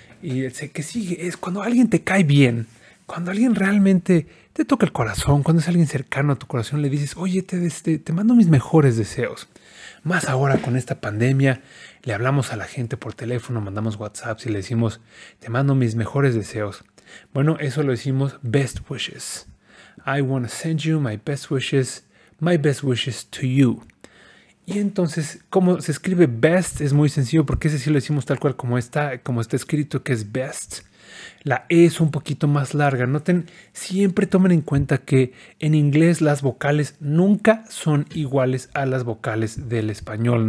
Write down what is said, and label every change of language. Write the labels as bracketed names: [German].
[Spanish] Y el que sigue es cuando alguien te cae bien, cuando alguien realmente te toca el corazón, cuando es alguien cercano a tu corazón, le dices, oye, te mando mis mejores deseos. Más ahora con esta pandemia, le hablamos a la gente por teléfono, mandamos WhatsApp y le decimos, te mando mis mejores deseos. Bueno, eso lo decimos [English] best wishes. I want to send you my best wishes to you. [Spanish] Y entonces, como se escribe best, es muy sencillo porque ese sí lo decimos tal cual como está escrito, que es best. La E es un poquito más larga. Noten, siempre tomen en cuenta que en inglés las vocales nunca son iguales a las vocales del español.